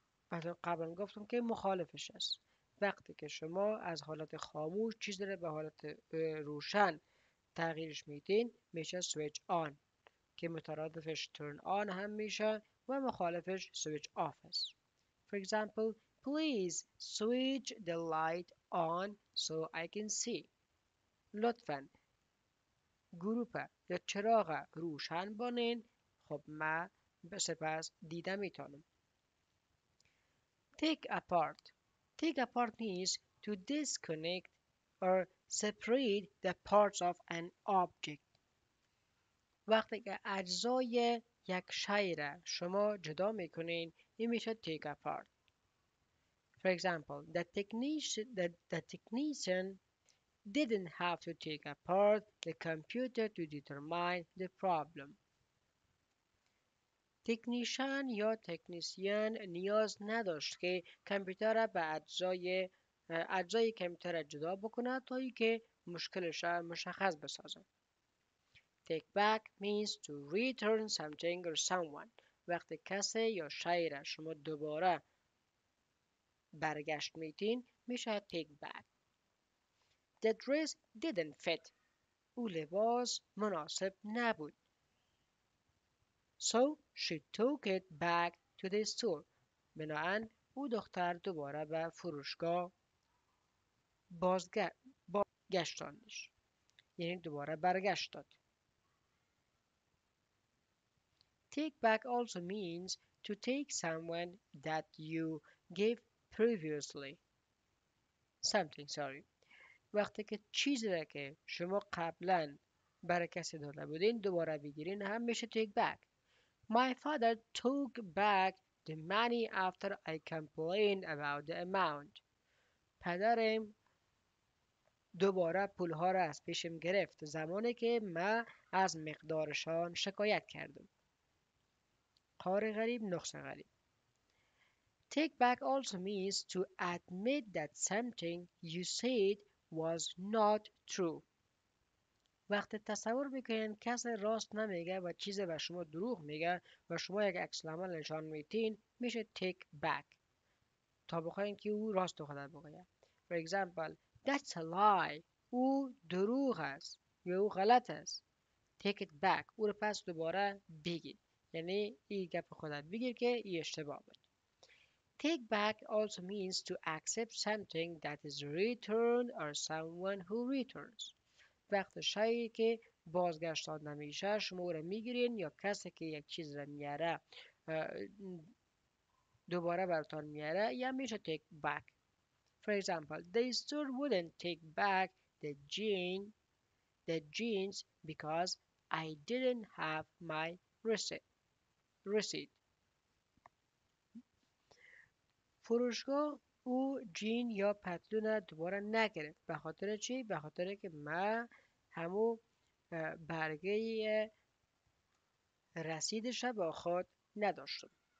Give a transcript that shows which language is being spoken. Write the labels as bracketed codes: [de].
[fa] بعد قبلا گفتم که مخالفش است. وقتی که شما از حالت خاموش چیز داره به حالت روشن تغییرش میدین میشه switch on که مترادفش turn on هم میشه و مخالفش switch off است. [en] For example, please switch the light on so I can see. [fa] لطفا گروپ یا چراغ روشن بانین خب من سپس دیده میتونم. [en] Take apart. Take apart means to disconnect or separate the parts of an object. [fa] وقتی که اجزای یک شی را شما جدا میکنین این میشه take apart. [en] For example, the technician didn't have to take apart the computer to determine the problem. [fa] تکنیشن یا تکنیسیان نیاز نداشت که کامپیوتر را به اجزای کامپیوتر جدا بکنه تا اینکه مشکلش را مشخص بسازه. [en] Take back means to return something or someone. [fa] وقتی کسی یا شی را شما دوباره برگشت میدین میشه تیک بک. [en] The dress didn't fit. [fa] او لباس مناسب نبود. [en] So she took it back to the store. [fa] بنابراین او دختر دوباره به فروشگاه بازگشتاندش. یعنی دوباره برگشت داد. [en] Take back also means to take someone that you gave previously. Something, sorry. [fa] وقتی که چیزی را که شما قبلا برای کسی داده بودین دوباره بگیرین هم میشه take back. [en] My father took back the money after I complained about the amount. [fa] پدرم دوباره پولها را از پیشم گرفت زمانی که من از مقدارشان شکایت کردم. قار غریب نقص غریب. [en] Take back also means to admit that something you said was not true. [fa] وقت تصور میکنین کسی راست نمیگه و چیز به شما دروغ میگه و شما یک عکس العمل نشان میتین میشه take back. تا بخواین که او راست خود بگه. [en] For example, that's a lie. [fa] او دروغ است. یا او غلط است. [en] Take it back. [fa] او رو پس دوباره بگید. یعنی این گپ خودت بگیر که این اشتباه بود. [en] Take back also means to accept something that is returned or someone who returns. [fa] وقت شایی که بازگشتان نمیشه شما رو میگیرین یا کسی که یک چیز رو میاره دوباره براتان میاره یا میشه take back. [en] For example, the store wouldn't take back the jeans because I didn't have my receipt. [fa] فروشگاه او جین یا پتلون دوباره نگرفت. به خاطر چی؟ به خاطر که من همو برگه رسیدش با خود نداشتم.